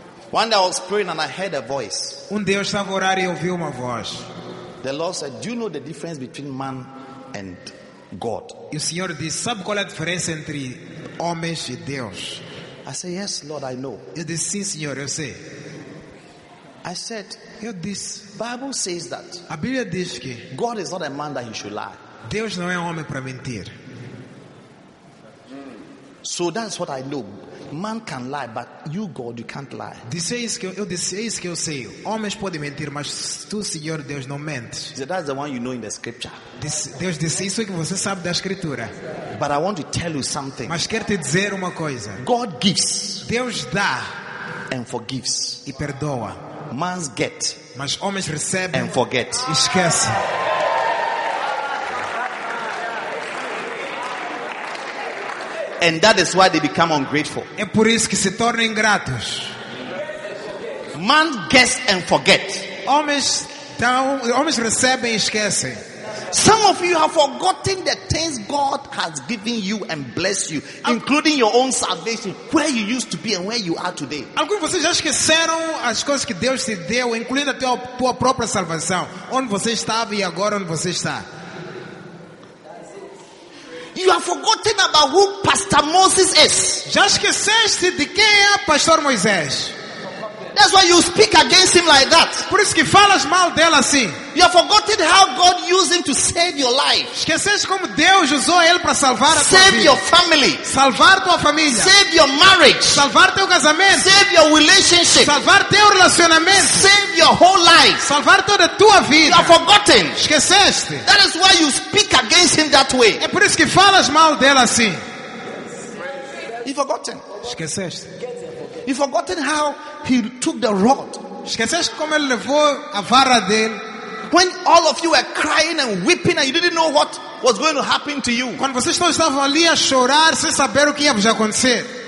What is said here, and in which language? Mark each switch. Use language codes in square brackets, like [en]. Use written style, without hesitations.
[en] One day I was praying and I heard a voice. [pt] Um dia eu estava a orar e ouvi uma voz. [en] The Lord said, "Do you know the difference between man and God?" [pt] E o Senhor disse, sabe qual é a diferença entre homens e Deus? [en] I said, "Yes, Lord, I know." [pt] Eu disse, sim, Senhor, eu sei. [en] I said, [pt] "Eu disse, [en] Bible says that." [pt] A Bíblia diz que [en] God is not a man that he should lie. [pt] Deus não é um homem para mentir. [en] So that's what I know. Man can lie, but you, God, you can't lie. [pt] Disse isso que eu sei. Homens podem mentir, mas tu, Senhor Deus, não mentes. [en] So that's the one you know in the scripture. [pt] Deus disse isso que você sabe da escritura. [en] But I want to tell you something. [pt] Mas quero te dizer uma coisa. [en] God gives. [pt] Deus dá. [en] And forgives. [pt] E perdoa. [en] Man's get. [pt] Mas homens recebem. [en] And forget. [pt] E esquece. [en] And that is why they become ungrateful. [pt] É por isso que se tornam ingratos. [en] Man gets and forget. [pt] Homens recebem e esquecem. [en] Some of you have forgotten the things God has given you and blessed you, including your own salvation, where you used to be and where you are today. [pt] Alguns de vocês já esqueceram as coisas que Deus te deu, incluindo a tua própria salvação, onde você estava e agora onde você está. [en] You have forgotten about who Pastor Moses is. [pt] Já esqueceste de quem é Pastor Moisés. [en] That's why you speak against him like that. [pt] Por isso que falas mal dele assim. [en] You have forgotten how God used him to save your life. [pt] Esqueceste como Deus usou ele para salvar a tua [en] vida. Save your family. [pt] Salvar tua família. [en] Save your marriage. [pt] Salvar teu casamento. [en] Save your relationship. [pt] Salvar teu relacionamento. [en] Save your whole life. [pt] Salvar toda a tua vida. [en] You have forgotten. [pt] Esqueceste. [en] That is why you speak against him that way. [pt] É por isso que falas mal dele assim. [en] You forgotten. [pt] Esqueceste. [en] You forgotten how he took the rod. [pt] Esqueceste como ele levou a vara dele. [en] When all of you were crying and weeping and you didn't know what was going to happen to you. [pt] Quando vocês todos estavam ali a chorar sem saber o que ia acontecer.